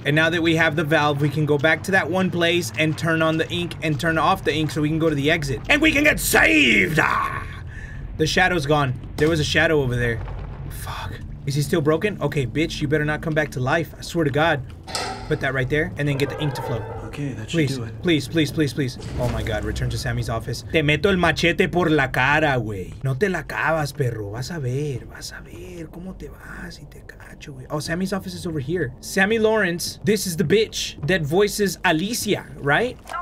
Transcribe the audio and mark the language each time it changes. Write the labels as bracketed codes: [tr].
[en] And now that we have the valve, we can go back to that one place and turn on the ink and turn off the ink so we can go to the exit. And we can get saved! Ah! The shadow's gone. There was a shadow over there. Fuck. Is he still broken? Okay, bitch, you better not come back to life. I swear to God. Put that right there and then get the ink to flow. Okay, that please, should do it. Please, please, please, please, please. Oh my God, return to Sammy's office. [es] Te meto el machete por la cara, güey. No te la acabas, perro. Vas a ver cómo te vas y te cacho, güey. [en] Oh, Sammy's office is over here. Sammy Lawrence, this is the bitch that voices Alicia, right?